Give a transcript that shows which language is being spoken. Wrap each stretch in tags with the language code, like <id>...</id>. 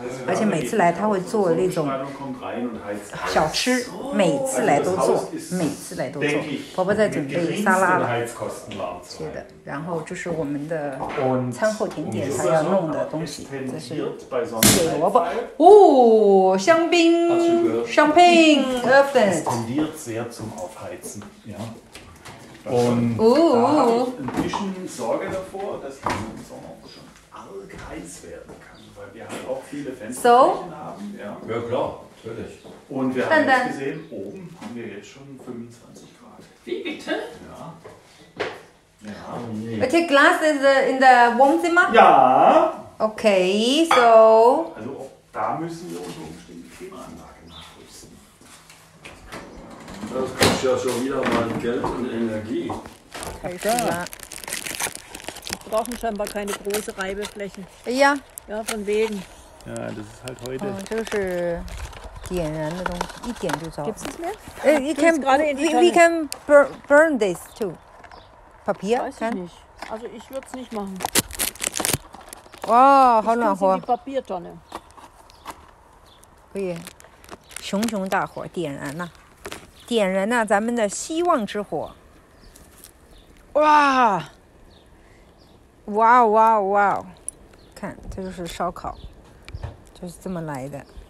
<zh>而且每次来，她会做那种小吃，每次来都做。婆婆在准备沙拉了，切的。然后就是我们的餐后甜点，她要弄的东西，这是水萝卜。哦，香槟。</zh> <de>Champagne, öffnet. Es tendiert sehr zum Aufheizen. Ja. Und da habe ich ein bisschen Sorge davor, dass die Saison auch schon arg heiß werden kann, weil wir halt auch viele Fensterflächen haben. Ja. Ja klar, natürlich. Und wir haben jetzt gesehen, oben haben wir jetzt schon 25 Grad. Wie bitte? Ja. Ja, nee. Okay, Glas ist in der Wohnzimmer? Ja. Okay, so. Also da müssen wir unsere umständliche Klimaanlage nachrüsten. Das kostet ja schon wieder mal Geld und Energie. Okay, ja. Wir brauchen scheinbar keine große Reibefläche. Ja. Ja, von wegen. Ja, das ist halt heute.</de> <zh>Oh, 点燃的东西，一点就着。</zh> <de>Gibt's es mehr?</de> <en>You can, we can burn this too.</en> <de>Papier? Weiß ich nicht. Also ich würde es nicht machen. Wow, hau noch vor. Ich tue die Papiertonne. Okay.</de> <zh>熊熊大火点燃了。点燃了, 咱们的希望之火。 Wow! Wow, wow, wow. 看,这就是烧烤。就是这么来的。</zh>